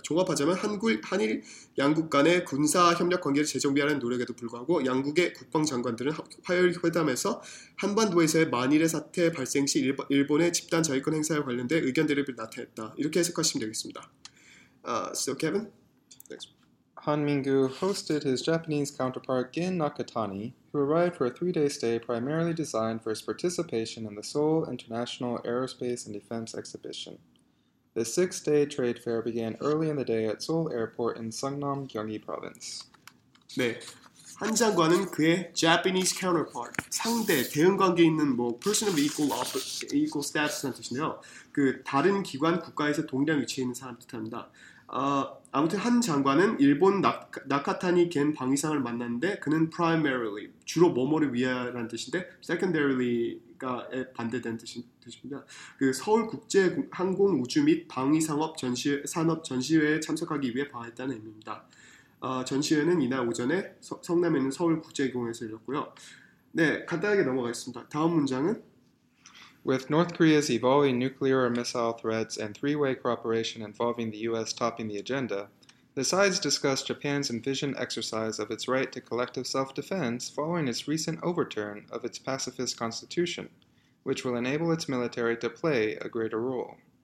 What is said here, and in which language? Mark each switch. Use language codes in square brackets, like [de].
[ko] 종합하자면 한일 양국 간의 군사 협력 관계를 재정비하는 노력에도 불구하고 양국의 국방 장관들은 화요일 회담에서 한반도에서의 만일의 사태 발생 시 일본의 집단 자위권 행사에 관련된 의견들을 나타냈다. 이렇게 해석하시면 되겠습니다. [en] So Kevin, thanks. Han Minggu hosted his Japanese counterpart Gin Nakatani, who arrived for a three-day stay primarily designed for his participation in the Seoul International Aerospace and Defense Exhibition. The six-day trade fair began early in the day at Seoul Airport in Sungnam, Gyeonggi Province. [ko] 네, 한 장관은 그의 Japanese counterpart, 상대, 대응 관계 있는 뭐 [en] person of equal status [ko] 란 뜻인데요. 그 다른 기관 국가에서 동일한 위치에 있는 사람 뜻합니다. 아무튼 한 장관은 일본 나카타니 겐 방위상을 만났는데 그는 primarily, 주로 뭐뭐를 위하라는 뜻인데 secondarily가 반대된 뜻입니다. 그 서울 국제 항공 우주 및 방위상업 산업 전시회에 참석하기 위해 방한했다는 의미입니다. 전시회는 이날 오전에 성남에 있는 서울 국제공항에서 열렸고요. 네, 간단하게 넘어가겠습니다. 다음 문장은 [en] With North Korea's evolving nuclear or missile threats and three-way cooperation involving the U.S. topping the agenda, the sides discussed Japan's envisioned exercise of its right to collective self-defense following its recent overturn of its pacifist constitution, which will enable its military to play a greater role.